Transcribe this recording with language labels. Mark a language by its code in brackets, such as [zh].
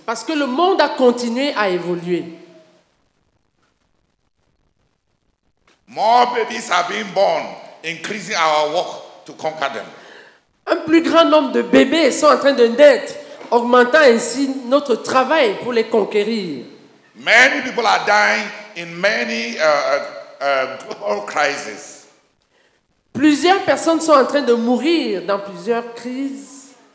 [fr] Parce que le monde a continué à évoluer. [en] More babies are being born, increasing our work to conquer them. [fr] Un plus grand nombre de bébés sont en train de naître, augmentant ainsi notre travail pour les conquérir. [en] Many people are dying in many global crises. [fr] Plusieurs personnes sont en train de mourir dans plusieurs crises.